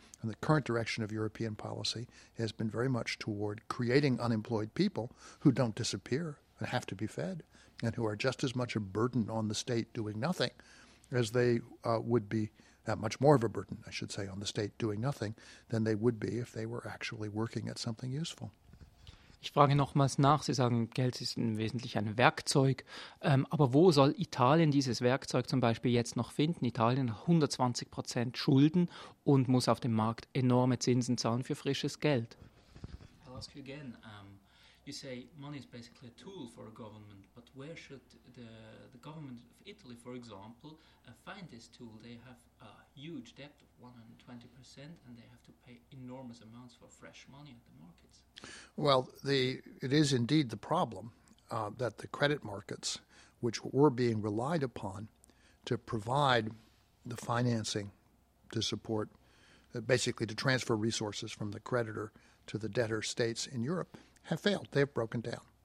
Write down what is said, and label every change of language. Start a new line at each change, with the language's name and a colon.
English: And the current direction of European policy has been very much toward creating unemployed people who don't disappear and have to be fed and who are just as much a burden on the state doing nothing as they would be, much more of a burden, I should say, on the state doing nothing than they would be if they were actually working at something useful.
German: Ich frage nochmals nach. Sie sagen, Geld ist im Wesentlichen ein Werkzeug. Aber wo soll Italien dieses Werkzeug zum Beispiel jetzt noch finden? Italien hat 120% Schulden und muss auf dem Markt enorme Zinsen zahlen für frisches Geld.
English: I'll ask you again. You say money is basically a tool for a government, but where should the government of Italy, for example, find this tool? They have a huge debt of 120% and they have to pay enormous amounts for fresh money at the markets. Well, it is indeed the problem that the credit markets, which were being relied upon to provide the financing to support, basically to transfer resources from the creditor to the debtor states in Europe, have failed. They have broken down.